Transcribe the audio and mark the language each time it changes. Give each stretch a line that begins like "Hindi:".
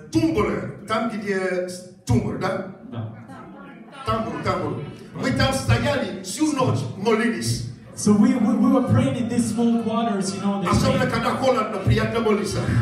Russian: Тумбур, там где тумбур, да? Да. Тамбур. Мы там стояли всю ночь молились.
English: So we were praying in these small quarters, you know.
Russian: Особенно когда холодно, приятно молиться.